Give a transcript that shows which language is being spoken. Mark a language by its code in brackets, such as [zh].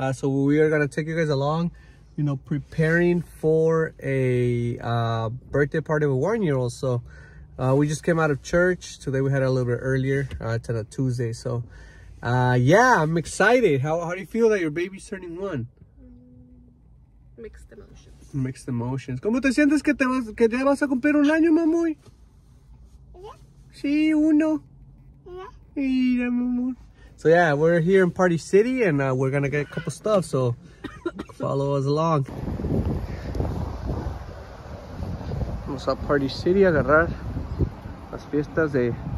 [en] So we are gonna take you guys along, you know, preparing for a birthday party of a 1-year-old. So we just came out of church. Today we had a little bit earlier, it's a Tuesday. So yeah, I'm excited. How do you feel that your baby's turning one? Mixed emotions. [es] ¿Cómo te sientes que ya vas a cumplir un año, mamuy? [en] Yeah. [es] Sí, uno. [en] Yeah. [es] Mira, mamuy. [en] So yeah, we're here in Party City and we're gonna get a couple stuff, so follow us along. [es] Vamos a Party City a agarrar las fiestas de